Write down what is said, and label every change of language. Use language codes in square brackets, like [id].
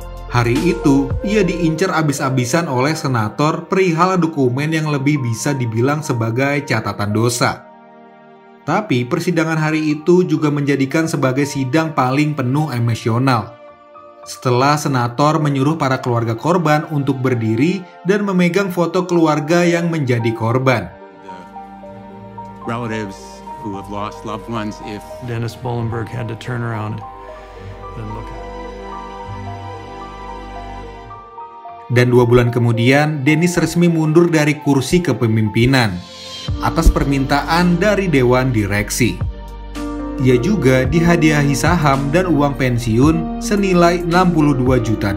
[id] Hari itu, ia diincar abis-abisan oleh senator perihal dokumen yang lebih bisa dibilang sebagai catatan dosa. Tapi persidangan hari itu juga menjadikan sebagai sidang paling penuh emosional. Setelah senator menyuruh para keluarga korban untuk berdiri dan memegang foto keluarga yang menjadi korban. [en] Relatives who have lost loved ones, if Dennis Bullenberg had to turn around and look. [id] Dan 2 bulan kemudian, Dennis resmi mundur dari kursi kepemimpinan atas permintaan dari dewan direksi. Ia juga dihadiahi saham dan uang pensiun senilai $62 juta.